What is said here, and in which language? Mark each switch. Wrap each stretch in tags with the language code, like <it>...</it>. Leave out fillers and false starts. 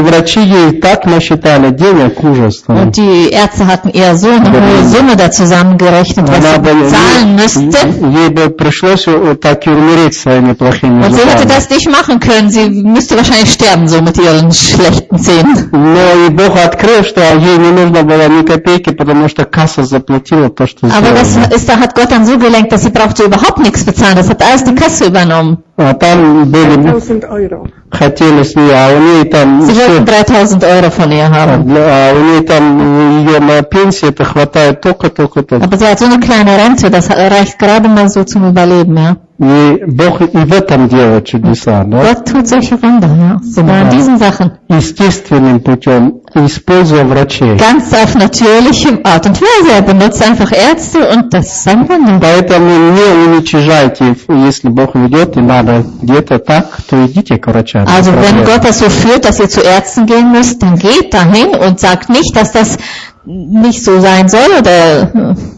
<ru>И врачи ей так насчитали денег ужасно.</ru> <de>Und die Ärzte hatten eher so eine hohe Summe da zusammengerechnet, was sie zahlen müsste.</de> <ru>Ей бы пришлось так и умереть с своими плохими зубами.</ru> <de>Und sie hätte das nicht machen können. Sie müsste wahrscheinlich sterben so mit ihren schlechten Zähnen.</de> <ru>Но и Бог открыл, что ей не нужно было ни копейки, потому что касса заплатила то, что сделала.</ru> <de>Aber das ist, da hat Gott dann so gelenkt, dass sie brauchte überhaupt nichts bezahlen. Das hat alles die Kasse übernommen.</de> <ru>А там были 3000 евро. Хотели с ней, а у нее там...</ru> <de>Sie wollten 3000 евро von ihr haben.</de> <ru>А у нее там ее на пенсии это хватает только-только-только.</ru> <de>Aber sie hat so eine kleine Rente, das reicht gerade mal so zum Überleben, ja.</de> <ru>И Бог и в этом делает чудеса, да?</ru> <de>Gott tut solche Wunder, ja. Sogar in diesen Sachen.</de> <ru>Естественным путем, используя врачей.</ru> <de>Ganz auf natürlichem Art und Weise. Er benutzt einfach Ärzte und das ist ein Wunder.</de> <ru>Поэтому не уничижайте, если Бог ведет, и надо где-то так, то идите к врачам.</ru> <de>Also wenn Gott das so führt, dass ihr zu Ärzten gehen müsst, dann geht dahin und sagt nicht, dass das nicht so sein soll oder...</de>